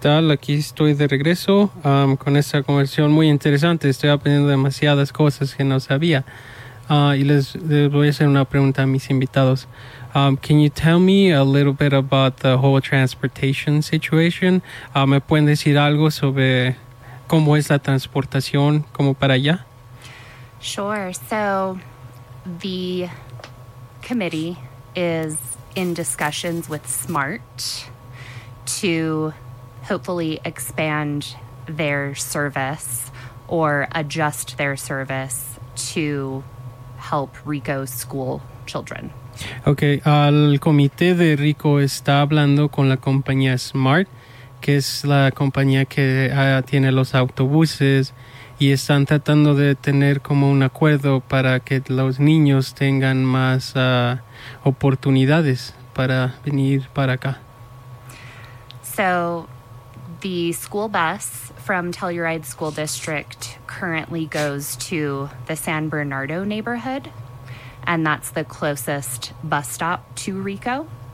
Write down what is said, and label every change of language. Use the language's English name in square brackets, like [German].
[Spanish] Aquí estoy de regreso con esta conversación muy interesante. Estoy aprendiendo demasiadas cosas que no sabía. Y les voy a hacer una pregunta a mis invitados. [English] Can you tell me a little bit about the whole transportation situation? [Spanish] ¿Me pueden decir algo sobre cómo es la transportación como para allá? [English] Sure. So the committee is in discussions with SMART to hopefully expand their service or adjust their service to help Rico school children. [Spanish] Okay, el comité de Rico está hablando con la compañía Smart que es la compañía que tiene los autobuses, y están tratando de tener como un acuerdo para que los niños tengan más oportunidades para venir para acá. [English] So, the school bus from Telluride School District currently goes to the San Bernardo neighborhood, and that's the closest bus stop to Rico.